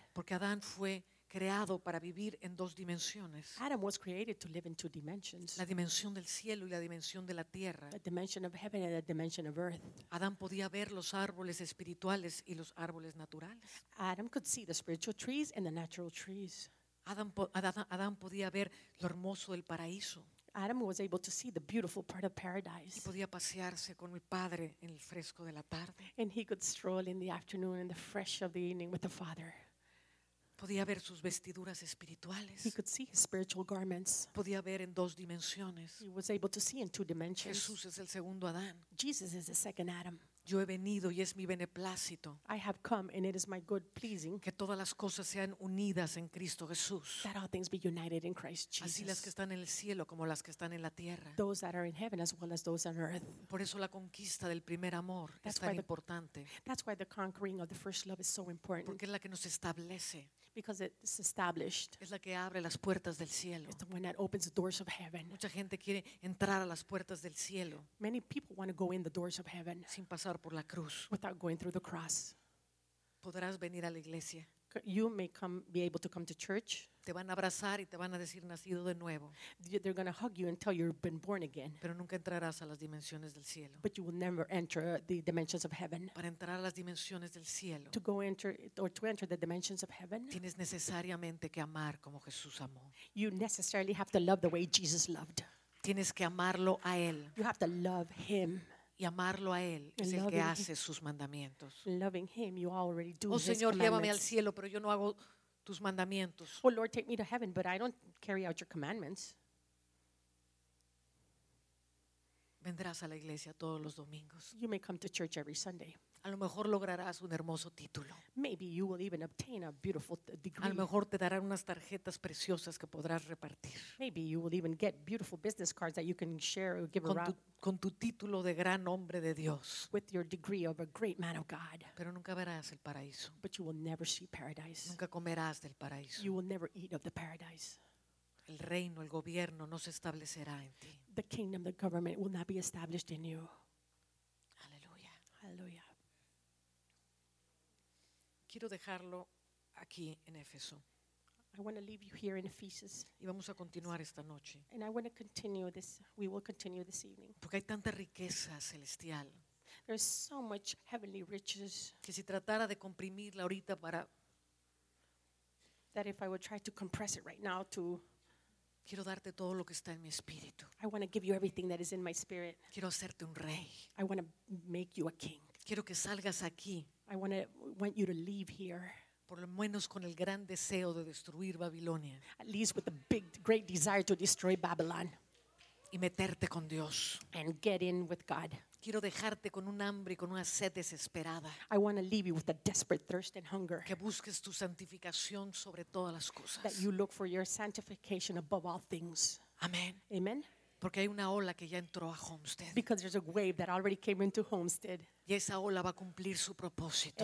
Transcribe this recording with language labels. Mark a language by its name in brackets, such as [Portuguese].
[Spanish] Porque Adán fue creado para vivir en dos dimensiones. [English] Adam was created to live in two dimensions. [Spanish] La dimensión del cielo y la dimensión de la tierra. [English] The dimension of heaven and the dimension of earth. [Spanish] Adán podía ver los árboles espirituales y los árboles naturales. [English] Adam could see the spiritual trees and the natural trees. [Spanish] Adán podía ver lo hermoso del paraíso. [English] Adam was able to see the beautiful part of paradise. [Spanish] Y podía pasearse con mi padre en el fresco de la tarde. [English] And he could stroll in the afternoon in the fresh of the evening with the Father. [Spanish] Podía ver sus vestiduras espirituales. [English] He could see his spiritual garments. [Spanish] Podía ver en dos dimensiones. [English] He was able to see in two dimensions. [Spanish] Jesús es el segundo Adán. [English] Jesus is the second Adam. [Spanish] Yo he venido y es mi beneplácito. [English] I have come and it is my good pleasing. [Spanish] Que todas las cosas sean unidas en Cristo Jesús. [English] That all things be united in Christ Jesus. [Spanish] Así las que están en el cielo como las que están en la tierra. [English] Those that are in heaven as well as those on earth. [Spanish] Por eso la conquista del primer amor es tan importante. [English] That's why the conquering of the first love is so important. [Spanish] Porque es la que nos establece. [English] Because it's established. [Spanish] Es la que abre las puertas del cielo. [English] It's the one that opens the doors of heaven. [Spanish] Mucha gente quiere entrar a las puertas del cielo. [English] Many people want to go in the doors of heaven. [Spanish] Sin pasar por la cruz. [English] Without going through the cross. [Spanish] Podrás venir a la iglesia. [English] You may come, be able to come to church. [Spanish] Te van a abrazar y te van a decir nacido de nuevo. [English] They're going to hug you until you've been born again. [Spanish] Pero nunca entrarás a las dimensiones del cielo. [English] But you will never enter the dimensions of heaven. [Spanish] Para entrar a las dimensiones del cielo. [English] To go enter or to enter the dimensions of heaven. [Spanish] Tienes necesariamente que amar como Jesús amó. [English] You necessarily have to love the way Jesus loved. [Spanish] Tienes que amarlo a él. [English] You have to love him. [Spanish] Y amarlo a él es el que hace sus mandamientos. [English] Loving him, you already do. [Spanish] Oh Señor, llévame al cielo, pero yo no hago tus mandamientos. [English] Oh Lord, take me to heaven, but I don't carry out your commandments. [Spanish] Vendrás a la iglesia todos los domingos. [English] You may come to church every Sunday. [Spanish] A lo mejor lograrás un hermoso título. [English] Maybe you will even obtain a beautiful degree. [Spanish] A lo mejor te darán unas tarjetas preciosas que podrás repartir. [English] Maybe you will even get beautiful business cards that you can share or give around. [Spanish] Con tu título de gran hombre de Dios. [English] With your degree of a great man of God. [Spanish] Pero nunca verás el paraíso. [English] But you will never see paradise. [Spanish] Nunca comerás del paraíso. [English] You will never eat of the paradise. [Spanish] El reino, el gobierno no se establecerá en ti. [English] The kingdom, the government will not be established in you. [Spanish] Aleluya. [English] Aleluya. [Spanish] Quiero dejarlo aquí en Éfeso. [English] I want to leave you here in Ephesus. [Spanish] Y vamos a continuar esta noche. [English] And I want to continue this. We will continue this evening. [Spanish] Porque hay tanta riqueza celestial. [English] There is so much heavenly riches. [Spanish] Que si tratara de comprimirla ahorita para. [English] That if I would try to compress it right now to. [Spanish] Quiero darte todo lo que está en mi espíritu. [English] I want to give you everything that is in my spirit. [Spanish] Quiero hacerte un rey. [English] I want to make you a king. [Spanish] Quiero que salgas aquí. [English] I want you to leave here. [Spanish] Por lo menos con el gran deseo de destruir Babilonia. [English] At least with the big, great desire to destroy Babylon. [Spanish] Y meterte con Dios. [English] And get in with God. [Spanish] Quiero dejarte con un hambre y con una sed desesperada. [English] I want to leave you with a desperate thirst and hunger. [Spanish] Que busques tu santificación sobre todas las cosas. [English] That you look for your sanctification above all things. [Spanish] Amén. [English] Amen. [Spanish] Porque hay una ola que ya entró a Homestead. [English] Because there's a wave that already came into Homestead. [Spanish] Y esa ola va a cumplir su propósito.